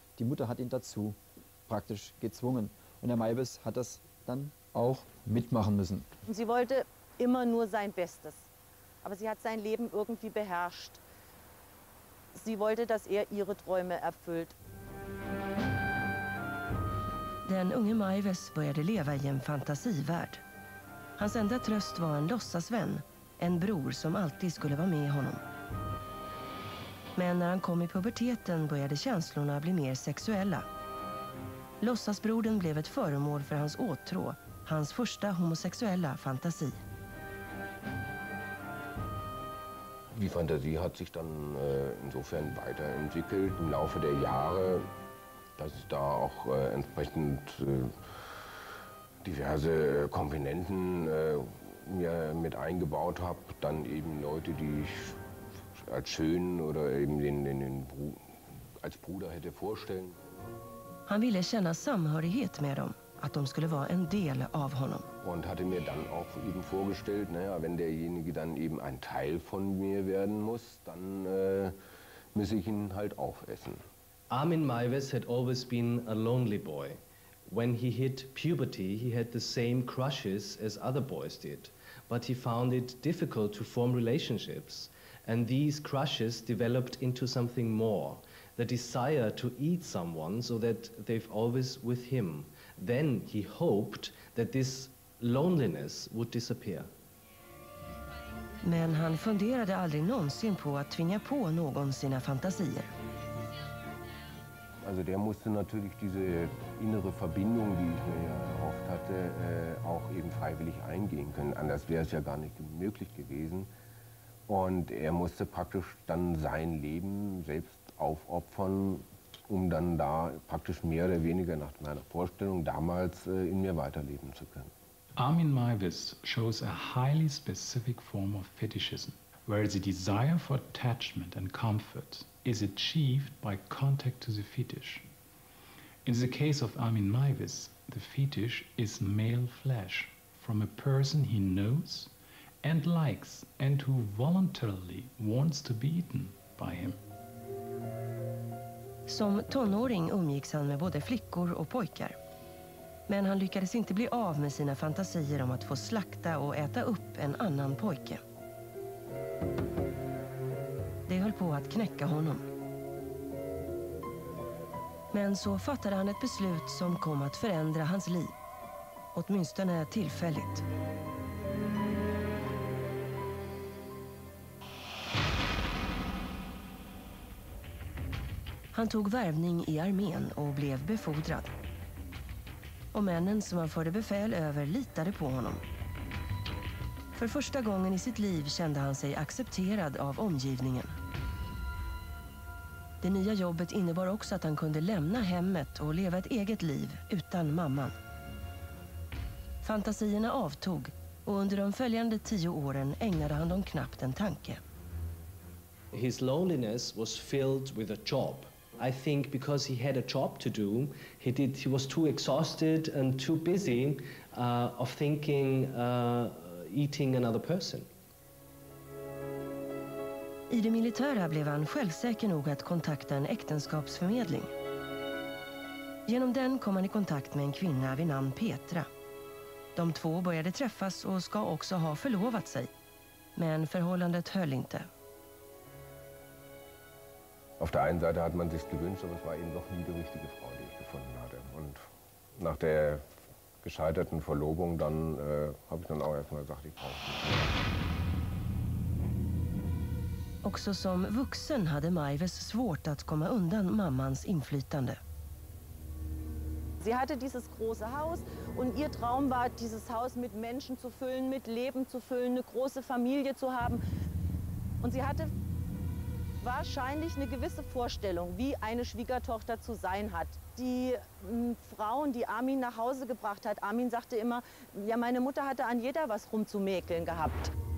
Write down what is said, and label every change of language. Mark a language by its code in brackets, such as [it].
[de] Die Mutter hat ihn dazu praktisch gezwungen. Und Herr Maivis hat das dann auch mitmachen müssen. Sie wollte immer nur sein Bestes. Aber sie hat sein Leben irgendwie beherrscht. Sie wollte, dass er ihre Träume erfüllt. [sv] Den unge Maivis började leva i en fantasivärld. Hans enda tröst var en låtsasvän, en bror som alltid skulle vara med honom. Men när han kom i puberteten började känslorna bli mer sexuella. Låtsasbrodern blev ett föremål för hans åtrå, hans första homosexuella fantasi. [de] Die Fantasie hat sich dann insofern weiterentwickelt im Laufe der Jahre, dass es da auch entsprechend diverse Komponenten mir mit eingebaut habe. Dann eben Leute, die ich als schön oder eben als Bruder hätte vorstellen. [sv] Han ville känna samhörighet med dem, att de skulle vara en del av honom. [de] Und hatte mir dann auch eben vorgestellt, naja, wenn derjenige dann eben ein Teil von mir werden muss, dann müsse ich ihn halt aufessen. [en] Armin Maivis had always been a lonely boy. When he hit puberty, he had the same crushes as other boys did. But he found it difficult to form relationships. And these crushes developed into something more. The desire to eat someone so that they've always with him. Then he hoped that this loneliness would disappear. [sv] Men han funderade aldrig någonsin på att tvinga på någon sina fantasier. [de] Also der musste natürlich diese innere Verbindung, die ich mir ja erhofft hatte, auch eben freiwillig eingehen können. Anders wäre es ja gar nicht möglich gewesen. Und er musste praktisch dann sein Leben selbst aufopfern, um dann da praktisch mehr oder weniger nach meiner Vorstellung damals in mir weiterleben zu können. [en] Armin Maivis shows a highly specific form of fetishism, where the desire for attachment and comfort is achieved by contact to the fetish. In the case of Armin Maivis, the fetish is male flesh from a person he knows and likes and who voluntarily wants to be eaten by him. [sv] Som tonåring umgicks han med både flickor och pojkar. Men han lyckades inte bli av med sina fantasier om att få slakta och äta upp en annan pojke. Det höll på att knäcka honom. Men så fattade han ett beslut som kom att förändra hans liv. Åtminstone tillfälligt. Han tog värvning i armén och blev befordrad. Och männen som han förde befäl över litade på honom. För första gången i sitt liv kände han sig accepterad av omgivningen. Det nya jobbet innebar också att han kunde lämna hemmet och leva ett eget liv utan mamman. Fantasierna avtog och under de följande 10 åren ägnade han dem knappt en tanke. [en] His loneliness was filled with a job. I think because he had a job to do, he was too exhausted and too busy of thinking eating another person. [sv] I det militära blev han självsäker nog att kontakta en äktenskapsförmedling. Genom den kom han i kontakt med en kvinna vid namn Petra. De två började träffas och ska också ha förlovat sig. Men förhållandet höll inte. [de] Auf der einen Seite hat man sich gewünscht, aber es war eben doch nie die richtige Frau, die ich gefunden hatte. Und nach der gescheiterten Verlobung dann habe ich dann auch erstmal gesagt, ich brauche sie. [sv] Också som vuxen hade Maivis svårt att komma undan mammans inflytande. [de] Sie hatte dieses große Haus und ihr Traum war, dieses Haus mit Menschen zu füllen, mit Leben zu füllen, eine große Familie zu haben. Und sie hatte wahrscheinlich eine gewisse Vorstellung, wie eine Schwiegertochter zu sein hat. Die Frauen, die Armin nach Hause gebracht hat, Armin sagte immer, ja, meine Mutter hatte an jeder was rumzumäkeln gehabt.